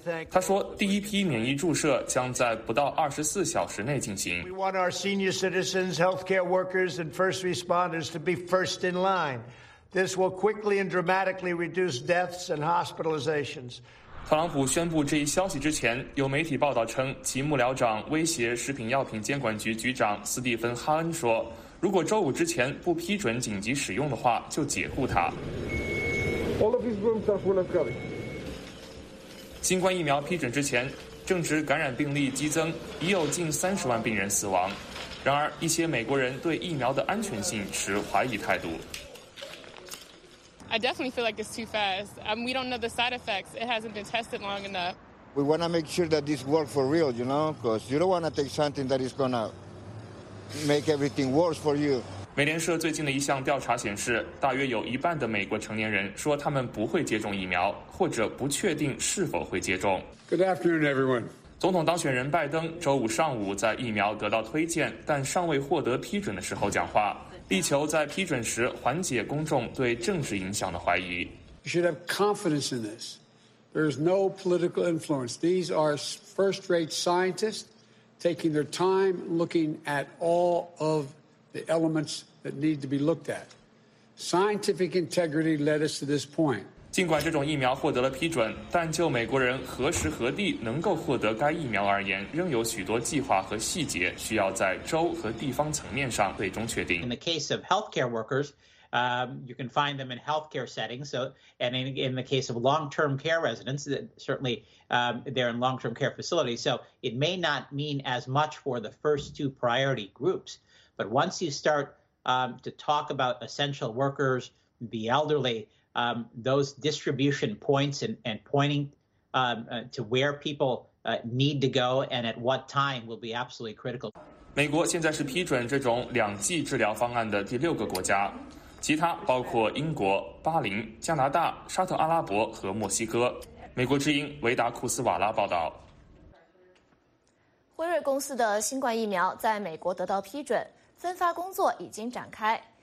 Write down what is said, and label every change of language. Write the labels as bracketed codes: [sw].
[zh] 他说，第一批免疫注射将在不到24小时内进行。 [en] We want our senior citizens, healthcare workers, and first responders to be first in line. This will quickly and dramatically reduce deaths and hospitalizations. [zh] 特朗普宣布这一消息之前，有媒体报道称，其幕僚长威胁食品药品监管局局长斯蒂芬·哈恩说，如果周五之前不批准紧急使用的话，就解雇他。 [en] All of these rooms are full of COVID. [zh] 新冠疫苗批准之前，正值感染病例激增，已有近30万病人死亡。然而，一些美国人对疫苗的安全性持怀疑态度。 [en] I definitely feel like it's too fast. We don't know the side effects. It hasn't been tested long enough. We want to make sure that this works for real, you know, because you don't want to take something that is going to make everything worse for you. [zh] 美联社最近的一项调查显示，大约有一半的美国成年人说他们不会接种疫苗，或者不确定是否会接种。 [en] Good afternoon, everyone. [zh] 总统当选人拜登周五上午在疫苗得到推荐但尚未获得批准的时候讲话。力求在批准时缓解公众对政治影响的怀疑。 [en] You should have confidence in this. There is no political influence. These are first-rate scientists taking their time looking at all of the elements that need to be looked at. Scientific integrity led us to this point. [zh] 尽管这种疫苗获得了批准，但就美国人何时何地能够获得该疫苗而言，仍有许多计划和细节需要在州和地方层面上最终确定。 [en] In the case of healthcare workers, You can find them in healthcare settings. So, and in the case of long-term care residents, certainly they're in long-term care facilities. So it may not mean as much for the first two priority groups. But once you start to talk about essential workers, the elderly, those distribution points and pointing to where people need to go and at what time will be absolutely critical. [zh] 美国现在是批准这种两剂治疗方案的第六个国家，其他包括英国、巴林、加拿大、沙特阿拉伯和墨西哥。美国之音维达库斯瓦拉报道。辉瑞公司的新冠疫苗在美国得到批准，分发工作已经展开。